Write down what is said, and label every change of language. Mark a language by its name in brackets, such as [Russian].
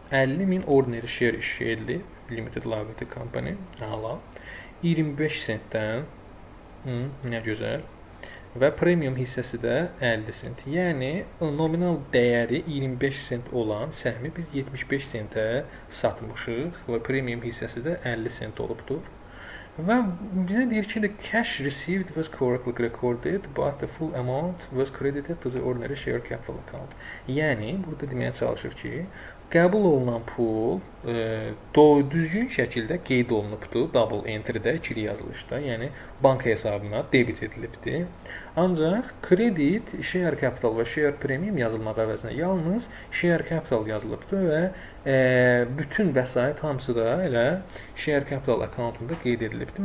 [Azerbaijani] 50 min ordinary share issued edildi limited liability company. Hala. 25 sentdən. Nə gözəl. Və premium hissəsi də 50 sent. Yəni, nominal dəyəri 25 sent olan səhmi biz 75 sentə satmışıq. Və premium hissəsi də 50 sent olubdur. Və bizə deyir ki, [English] the cash received was correctly recorded, but the full amount was credited to the ordinary share capital account. [Azerbaijani] Yəni, burada deməyə çalışır ki, qəbul olunan pul düzgün şəkildə qeyd olunubdur, double entry-də, ikili yazılışda, yəni banka hesabına debit edilibdir. Ancaq kredit, share capital və share premium yazılmaq əvəzinə yalnız share capital yazılıbdır və bütün vəsait hamısı da elə share capital accountunda qeyd edilibdir.